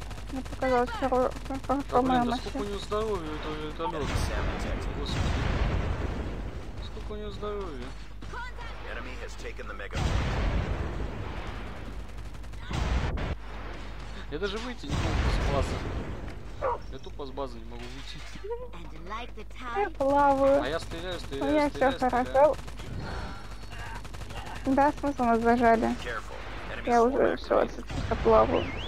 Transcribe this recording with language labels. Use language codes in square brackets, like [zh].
[ru] Мне показалось, что хорошо моя машина. Сколько у него здоровья у этого вертолета? Господи. Сколько у него здоровья? [en] Enemy has taken the mega point. [ru] Я даже выйти не могу с базы. Я тупо с базы не могу выйти. Я плаваю. А я стреляю, стреляю, стреляю. Я стреляю, все хорошо. Стреляю. Да, смысл нас зажали. Я уже все, я плаваю.